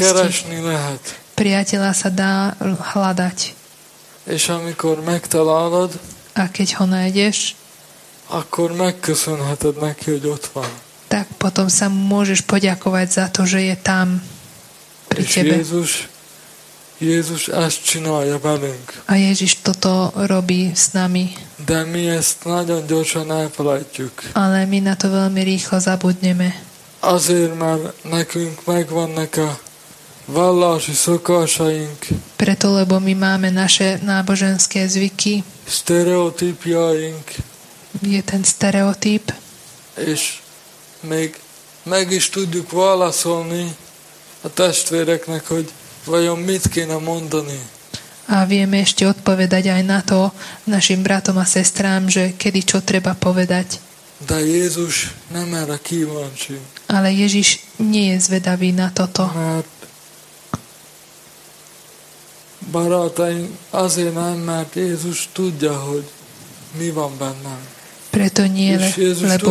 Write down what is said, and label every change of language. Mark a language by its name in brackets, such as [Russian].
[Hungarian] A barátot čak keresni lehet. [Slovak] Priateľa sa dá hľadať. [Hungarian] És amikor megtalálod, [Slovak] a keď ho nájdeš, [Hungarian] akkor megköszönheted neki, hogy ott van. [Slovak] Tak potom sa môžeš poďakovať za to, že je tam pri [Hungarian] és [Slovak] tebe. [Hungarian] Jézus ezt csinálja velünk. [Slovak] A Ježiš toto robí s nami. [Hungarian] De mi ezt nagyon gyorsan elfelejtjük. [Slovak] Ale mi na to veľmi rýchlo zabudneme. [Hungarian] Azért, mert nekünk megvannak a vallási szokásaink. [Slovak] Preto, lebo mi máme naše náboženské zvyky. [Hungarian] Stereotípjaink. [Slovak] Je ten stereotíp. [Hungarian] És meg is tudjuk válaszolni a testvéreknek, hogy vajon mit kéne mondani? [Slovak] A vieme ešte odpovedať aj na to našim bratom a sestrám, že kedy čo treba povedať. [Hungarian] De Jézus nem erre kíváncsi. [Slovak] Ale Ježiš nie je zvedavý na toto. [Hungarian] Mert barátaim, azért nem, mert Jézus tudja, hogy mi van bennem. [Slovak] Preto nie, [Hungarian] és Jézus [Slovak] lebo...